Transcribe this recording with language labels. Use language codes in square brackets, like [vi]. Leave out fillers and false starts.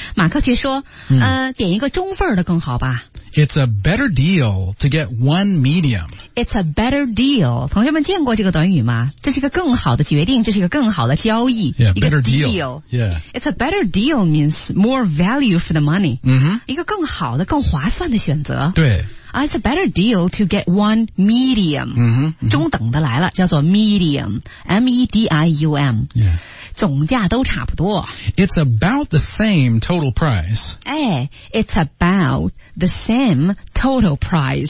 [zh] 马克学说、点一个中份的更好吧。 [en] It's a better deal to get one medium. It's a better deal. [zh] 同学们见过这个短语吗？这是一个更好的决定，这是一个更好的交易。 [en] Yeah, better deal. Yeah. It's a better deal means more value for the money. [zh] 一个更好的、更划算的选择。对。 [en] It's a better deal to get one medium. [zh] 中等的来了，叫做 medium. M-E-D-I-U-M. [en] Yeah. [zh] 总价都差不多。 [en] It's about the same total price. 哎 ,it's about the same total price.